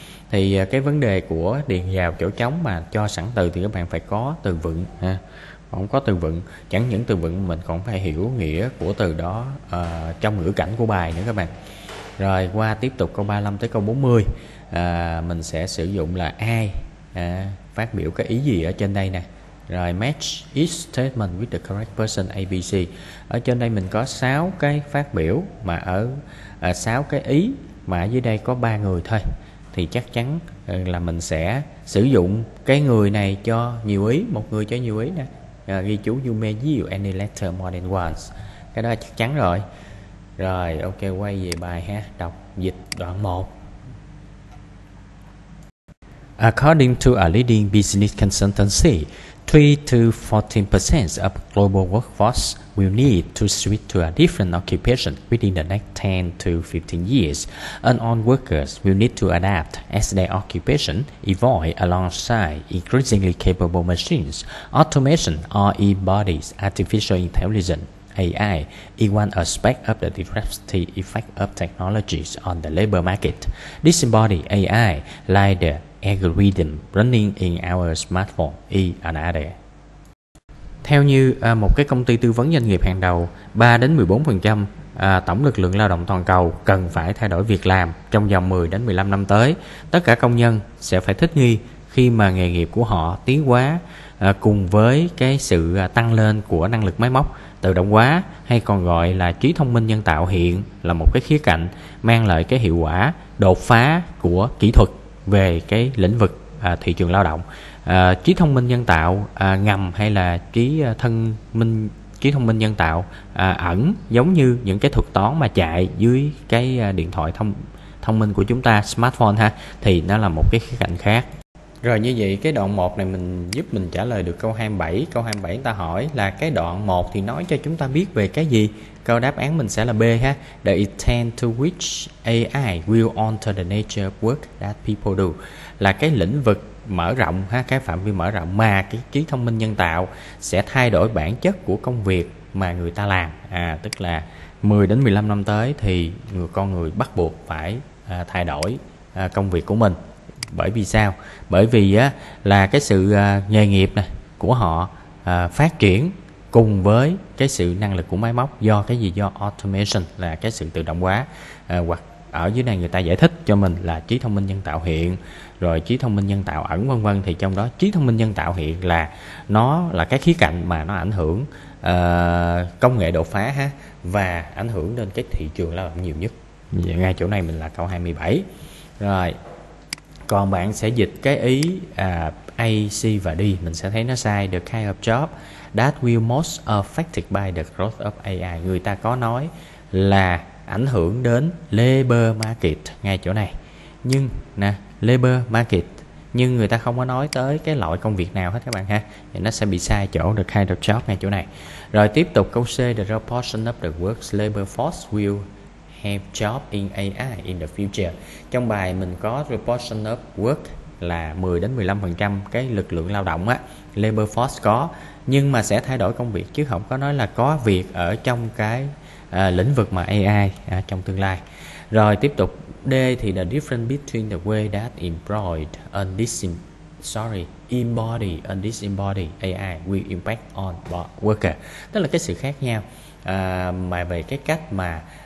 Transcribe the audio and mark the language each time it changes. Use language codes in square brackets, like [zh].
[vi] Thì cái vấn đề của điền vào chỗ trống mà cho sẵn từ thì các bạn phải có từ vựng ha. Không có từ vựng, chẳng những từ vựng mình còn phải hiểu nghĩa của từ đó trong ngữ cảnh của bài nữa các bạn. Rồi qua tiếp tục câu 35 tới câu 40, mình sẽ sử dụng là ai phát biểu cái ý gì ở trên đây nè. [en] Rồi match each statement with the correct person ABC. [vi] Ở trên đây mình có 6 cái phát biểu mà ở 6 cái ý mà ở dưới đây có 3 người thôi. Thì chắc chắn là mình sẽ sử dụng cái người này cho nhiều ý, một người cho nhiều ý nè. Ghi chú [en] you may view any letter more than once. [vi] Cái đó chắc chắn rồi. Rồi ok, quay về bài ha, đọc dịch đoạn 1. [en] According to a leading business consultancy, 3-14% of global workforce will need to switch to a different occupation within the next 10-15 years. Unskilled workers will need to adapt as their occupation evolves alongside increasingly capable machines, automation, RE bodies, artificial intelligence, AI, is one aspect of the disruptive effect of technologies on the labor market. This embodied AI, like the algorithm running in our smartphone, is another. [vi] Theo như một cái công ty tư vấn doanh nghiệp hàng đầu, 3-14% tổng lực lượng lao động toàn cầu cần phải thay đổi việc làm trong vòng 10-15 năm tới. Tất cả công nhân sẽ phải thích nghi khi mà nghề nghiệp của họ tiến hóa cùng với cái sự tăng lên của năng lực máy móc tự động hóa, hay còn gọi là trí thông minh nhân tạo, hiện là một cái khía cạnh mang lại cái hiệu quả đột phá của kỹ thuật về cái lĩnh vực thị trường lao động. Trí thông minh nhân tạo ngầm hay là trí thông minh nhân tạo ẩn, giống như những cái thuật toán mà chạy dưới cái điện thoại thông minh của chúng ta, smartphone ha, thì nó là một cái khía cạnh khác. Rồi như vậy cái đoạn 1 này mình giúp mình trả lời được câu 27. Câu 27 người ta hỏi là cái đoạn 1 thì nói cho chúng ta biết về cái gì? Câu đáp án mình sẽ là B ha. [en] The extent to which AI will alter the nature of work that people do. [vi] Là cái lĩnh vực mở rộng ha, cái phạm vi mở rộng mà cái trí thông minh nhân tạo sẽ thay đổi bản chất của công việc mà người ta làm. Tức là 10-15 năm tới thì con người bắt buộc phải thay đổi công việc của mình. Bởi vì sao? Bởi vì là cái sự nghề nghiệp này của họ phát triển cùng với cái sự năng lực của máy móc, do cái gì? Do automation, là cái sự tự động hóa. Hoặc ở dưới này người ta giải thích cho mình là trí thông minh nhân tạo hiện, rồi trí thông minh nhân tạo ẩn, vân vân. Thì trong đó trí thông minh nhân tạo hiện là nó là cái khía cạnh mà nó ảnh hưởng công nghệ đột phá ha, và ảnh hưởng đến cái thị trường lao động nhiều nhất. Vậy ngay chỗ này mình là câu 27. Rồi còn bạn sẽ dịch cái ý A, C và D, mình sẽ thấy nó sai. [en] The kind of job that will most affected by the growth of AI. [vi] Người ta có nói là ảnh hưởng đến labor market ngay chỗ này. Nhưng nè, labor market, nhưng người ta không có nói tới cái loại công việc nào hết các bạn ha. Thì nó sẽ bị sai chỗ [en] the kind of job [vi] ngay chỗ này. Rồi tiếp tục câu C, [en] the proportion of the work's labor force will have job in AI in the future. [vi] Trong bài mình có [en] proportion of work [vi] là 10-15% cái lực lượng lao động á, [en] labor force [vi] có, nhưng mà sẽ thay đổi công việc, chứ không có nói là có việc ở trong cái lĩnh vực mà AI trong tương lai. Rồi tiếp tục D thì [en] the difference between the way that employed and embodied and disembodied AI will impact on worker. [vi] Tức là cái sự khác nhau mà về cái cách mà